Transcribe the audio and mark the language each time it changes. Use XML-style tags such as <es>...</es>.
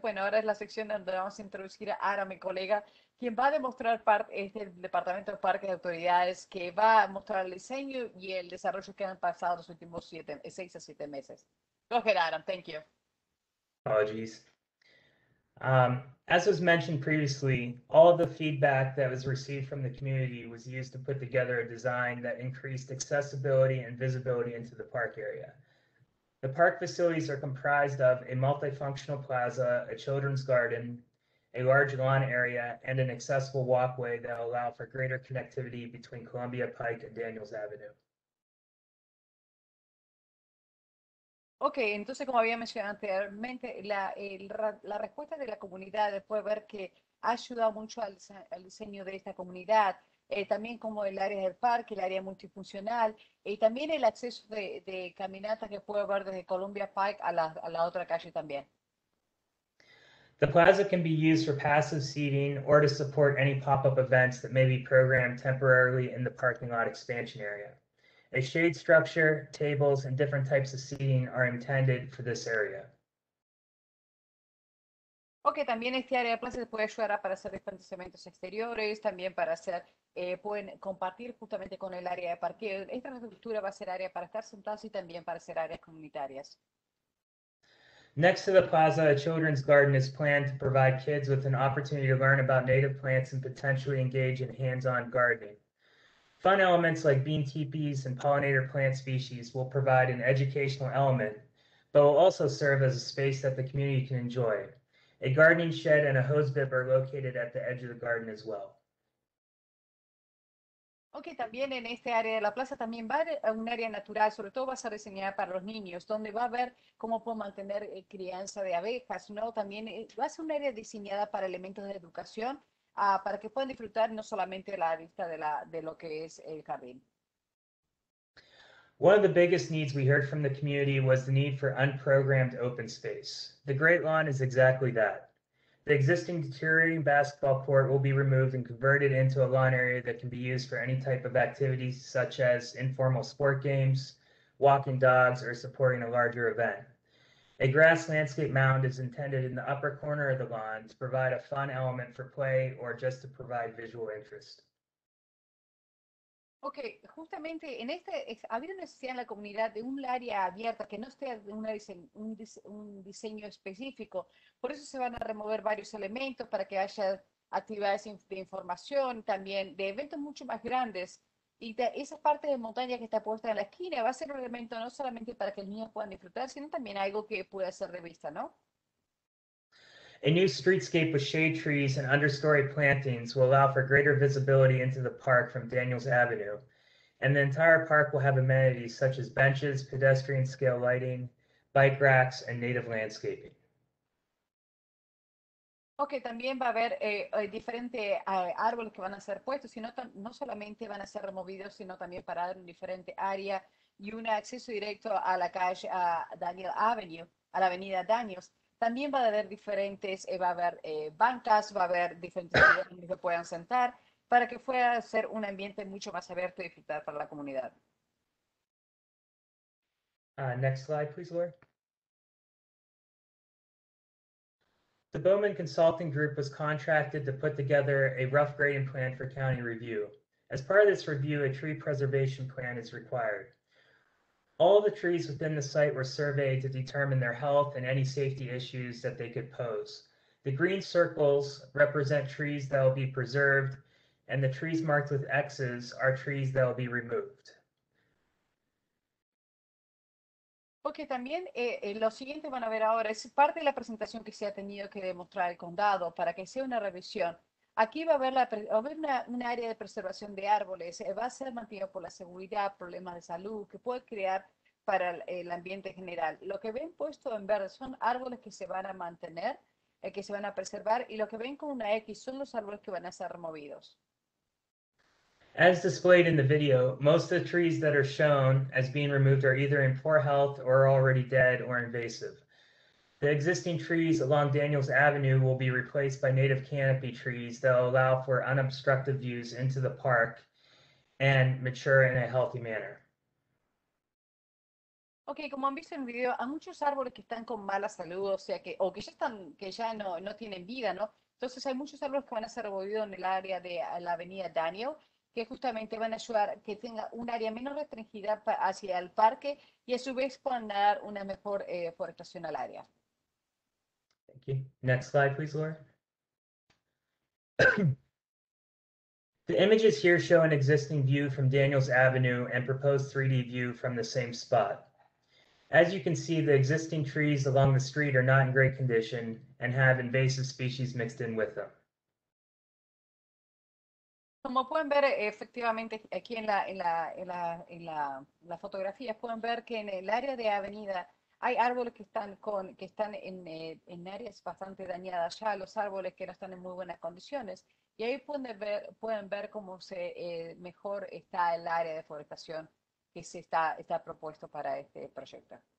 <es>Bueno, ahora es la sección donde vamos a introducir a Ara, mi colega, quien va a demostrar parte del Departamento de Parques y Autoridades, que va a mostrar el diseño y el desarrollo que han pasado los últimos 6 a 7 meses.</es> <en>Go ahead, Adam. Thank you. Apologies. As was mentioned previously, all of the feedback that was received from the community was used to put together a design that increased accessibility and visibility into the park area. The park facilities are comprised of a multifunctional plaza, a children's garden, a large lawn area, and an accessible walkway that allow for greater connectivity between Columbia Pike and Daniels Avenue.</en> <es>Ok, entonces como había mencionado anteriormente, la respuesta de la comunidad después de ver que ha ayudado mucho al diseño de esta comunidad, también como el área del parque, el área multifuncional, y también el acceso de caminatas que puede haber desde Columbia Pike a la otra calle también.</es> <en>The plaza can be used for passive seating or to support any pop-up events that may be programmed temporarily in the parking lot expansion area. A shade structure, tables, and different types of seating are intended for this area.</en> <es>Ok, también este área de plaza puede ayudar para hacer diferentes eventos exteriores, también para hacer, pueden compartir justamente con el área de parqueo. Esta infraestructura va a ser área para estar sentados y también para hacer áreas comunitarias.</es> <en>Next to the plaza, a children's garden is planned to provide kids with an opportunity to learn about native plants and potentially engage in hands-on gardening. Fun elements like bean teepees and pollinator plant species will provide an educational element, but will also serve as a space that the community can enjoy. A gardening shed and a hose bib are located at the edge of the garden as well.</en> <es>Okay, también en este área de la plaza también va a un área natural, sobre todo va a ser diseñada para los niños, donde va a ver cómo puede mantener crianza de abejas, ¿no? También va a ser un área diseñada para elementos de educación, para que puedan disfrutar no solamente la vista de lo que es el jardín.</es> <en>One of the biggest needs we heard from the community was the need for unprogrammed open space. The Great Lawn is exactly that. The existing deteriorating basketball court will be removed and converted into a lawn area that can be used for any type of activities such as informal sport games, walking dogs, or supporting a larger event. A grass landscape mound is intended in the upper corner of the lawn to provide a fun element for play or just to provide visual interest.</en> <es>Ok, justamente en este, había necesidad en la comunidad de un área abierta que no esté un diseño específico, por eso se van a remover varios elementos para que haya actividades de información, también de eventos mucho más grandes, y esa parte de montaña que está puesta en la esquina va a ser un elemento no solamente para que los niños puedan disfrutar, sino también algo que pueda ser de vista, ¿no?</es> <en>A new streetscape with shade trees and understory plantings will allow for greater visibility into the park from Daniels Avenue. And the entire park will have amenities such as benches, pedestrian scale lighting, bike racks, and native landscaping.</en> <es>Okay, también va a haber diferentes árboles que van a ser puestos, sino no solamente van a ser removidos, sino también para dar un diferente área y un acceso directo a la calle Daniel Avenue, a la avenida Daniels. También va a haber diferentes, va a haber bancas, va a haber diferentes lugares donde se puedan sentar para que pueda ser un ambiente mucho más abierto y disfrutar para la comunidad.</es> <en>Next slide, please, Laura. The Bowman Consulting Group was contracted to put together a rough grading plan for county review. As part of this review, a tree preservation plan is required. All the trees within the site were surveyed to determine their health and any safety issues that they could pose. The green circles represent trees that will be preserved, and the trees marked with X's are trees that will be removed.</en> <es>Okay, también lo siguiente van a ver ahora es parte de la presentación que se ha tenido que demostrar el condado para que sea una revisión. Aquí va a haber un área de preservación de árboles, va a ser mantenido por la seguridad, problemas de salud que puede crear para el ambiente general. Lo que ven puesto en verde son árboles que se van a mantener, que se van a preservar, y lo que ven con una X son los árboles que van a ser removidos.</es> <en>As displayed in the video, most of the trees that are shown as being removed are either in poor health or already dead or invasive. The existing trees along Daniels Avenue will be replaced by native canopy trees that will allow for unobstructed views into the park and mature in a healthy manner.</en> <es>Okay, como han visto en el video, hay muchos árboles que están con mala salud, o sea que, o que ya están, que ya no tienen vida, ¿no? Entonces hay muchos árboles que van a ser removidos en el área de la avenida Daniel, que justamente van a ayudar que tenga un área menos restringida hacia el parque y a su vez puedan dar una mejor forestación al área.</es> <en>Thank you. Next slide, please, Laura. The images here show an existing view from Daniels Avenue and proposed 3D view from the same spot. As you can see, the existing trees along the street are not in great condition and have invasive species mixed in with them.</en> <es>Como pueden ver, efectivamente, aquí en la fotografía, pueden ver que en el área de avenida hay árboles que están en áreas bastante dañadas ya, los árboles que no están en muy buenas condiciones. Y ahí pueden ver cómo se mejor está el área de deforestación que se está propuesto para este proyecto.</es>